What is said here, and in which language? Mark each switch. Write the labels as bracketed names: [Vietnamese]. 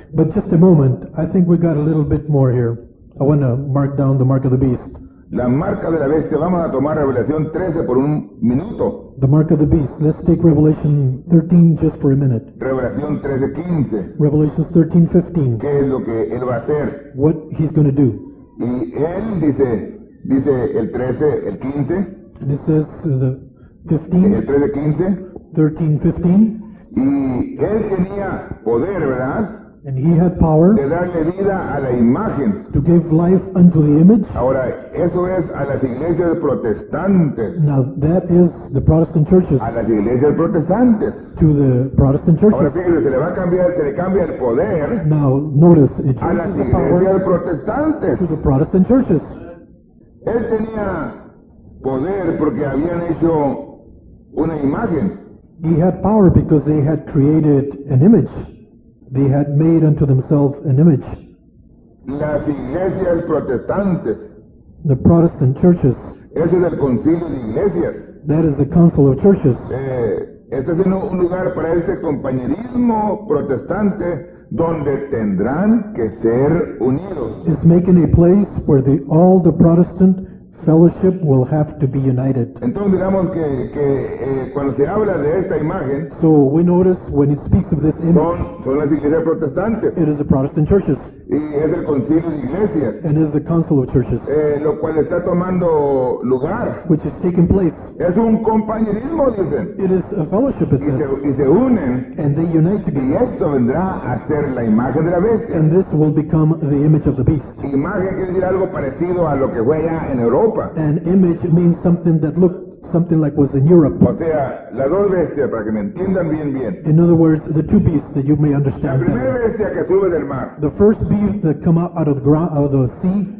[English] But just a moment, I think we got a little bit more here. I want to mark down the mark of the beast. [Spanish] La marca de la bestia, vamos a tomar Revelación 13 por un minuto. [English] The mark of the beast, let's take Revelation 13 just for a minute. [Spanish] Revelación 13:15. [English] Revelation 13:15. [Spanish] ¿Qué es lo que él va a hacer? [English] What he's going to do. [Spanish] Y él dice el 13, el 15. [English] And it says the 15. [Spanish] El 13:15. [English] 13:15. [Spanish] Y él tenía poder, ¿verdad? [English] And he had power [Spanish] de darle vida a la imagen, [English] to give life unto the image. [Spanish] Ahora, eso es a las iglesias protestantes. [English] Now, that is the Protestant churches. [Spanish] A las iglesias protestantes. [English] To the Protestant churches. [Spanish] Ahora, fíjense, se le cambia el poder. [English] Now, notice, it [Spanish] a las iglesias protestantes. [English] To the Protestant churches. [Spanish] Él tenía poder porque habían hecho una imagen. [English] He had power because they had created an image. They had made unto themselves an image. [Spanish] Las iglesias protestantes. [English] The Protestant churches. [Spanish] Ese es el concilio de iglesias. [English] That is the council of churches. [Spanish] Este es un lugar para este compañerismo protestante donde tendrán que ser unidos. [English] It's making a place where all the Protestant fellowship will have to be united. [Spanish] Entonces digamos cuando se habla de esta imagen, [English] so we notice when it speaks of this image, [Spanish] son las iglesias protestantes. [English] It is the Protestant churches. [Spanish] Y es el concilio de iglesias. [English] And it is the council of churches. [Spanish] Lo cual está tomando lugar. [English] Which is taking place. [Spanish] Es un compañerismo, dicen. [English] It is a fellowship, it says. [Spanish] Y se unen. [English] And they unite together. [Spanish] Y esto vendrá a ser la imagen de la bestia. [English] And this will become the image of the beast. [Spanish] Imagen quiere decir algo parecido a lo que fue allá en Europa. [English] An image means something that looked something like was in Europe. [Spanish] O sea, las dos bestias, para que me entiendan bien. [English] In other words, the two beasts that you may understand. [Spanish] La primera bestia que sube del mar. [English] The first beast that come out of the ground, out of the sea.